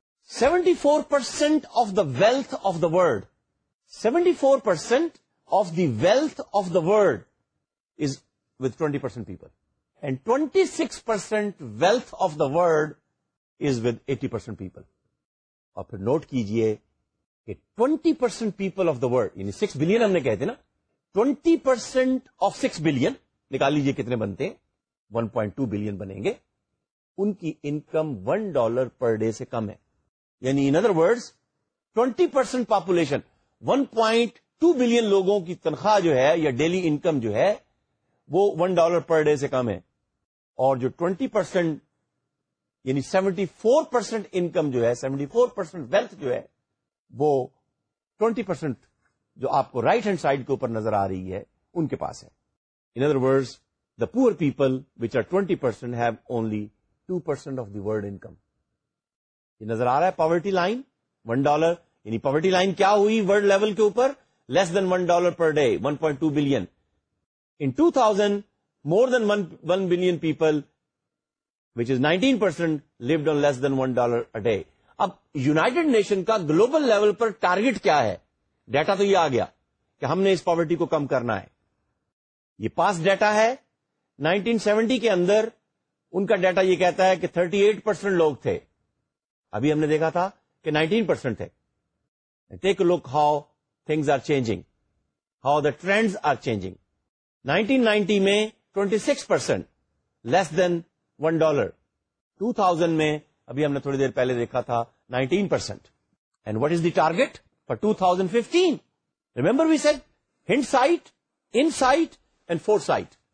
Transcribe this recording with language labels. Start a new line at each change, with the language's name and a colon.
English: 74% of the wealth of the world, 74% of the wealth of the world is with 20% people. And 26% wealth of the world is with 80% people.
Urdu: Aur phir note kijiye.
English: 20% people of the world,
Urdu: یعنی 6 billion ہم نے کہتے نا,
English: 20% of 6 billion,
Urdu: نکال لیجئے کتنے بنتے ہیں, 1.2 billion بنیں گے, ان کی income $1 per day سے کم ہے. یعنی
English: in other words,
Urdu: 20% population, 1.2 billion لوگوں کی تنخواہ جو ہے, یا daily income جو ہے, وہ $1 per day سے کم ہے. اور جو 20%, یعنی 74% income جو ہے, 74% wealth جو ہے, وہ 20% جو آپ کو رائٹ ہینڈ سائڈ کے اوپر نظر آ رہی ہے ان کے پاس ہے.
English: In other words the poor people which are 20% have only 2% of the world income.
Urdu: یہ نظر آ رہا ہے پاورٹی لائن, $1, یعنی پاورٹی لائن کیا ہوئی ورلڈ لیول کے اوپر,
English: less than $1 per day,
Urdu: 1.2 billion.
English: In 2000 more than 1 billion people which is 19% lived on less than $1 a day.
Urdu: اب یوناٹیڈ نیشن کا گلوبل لیول پر ٹارگٹ کیا ہے؟ ڈیٹا تو یہ آ گیا کہ ہم نے اس پاورٹی کو کم کرنا ہے. یہ پاس ڈیٹا ہے 1970 کے اندر, ان کا ڈیٹا یہ کہتا ہے کہ 38% لوگ تھے, ابھی ہم نے دیکھا تھا کہ 19% تھے.
English: And take a look how things are changing, how the trends are changing. 1990
Urdu: mein
English: 26% less than $1.
Urdu: 2000 mein abhi humne thodi der pehle dekha tha 19%.
English: And what is the target for 2015? Remember we said hindsight, insight and foresight.